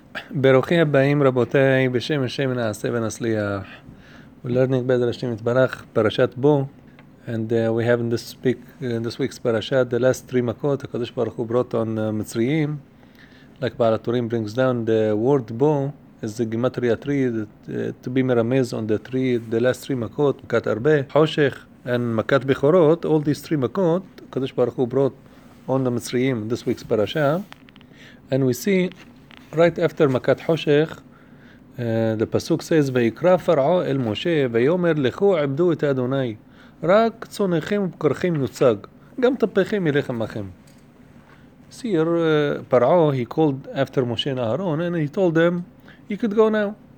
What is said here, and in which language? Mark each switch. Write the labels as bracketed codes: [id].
[he] ברוכים הבאים רבותיי, בשם השם נעשה ונצליח. ולרנינג בעזר השם יתברך, פרשת בו. [en] And we have in this week's parashat, the last three makot, הקדוש ברוך הוא brought on מצריים. Like בעל התורים brings down the word בו, as the gematria three, to be מרמז on the last three makot, מכת הרבה, חושך, and מכת בכורות, all these three makot, הקדוש ברוך הוא brought on the מצריים in this week's parasha. And we see, right after [he] מכת חושך, [en] the pasuk says, [he] ויקרא פרעו אל משה, ויאמר לכו עבדו את אדוני, רק צונכם ובקרכם יוצג, גם טפכם ילך עמכם. [en] See, פרעו, he called after משה ואהרון, and he told them, you could go now.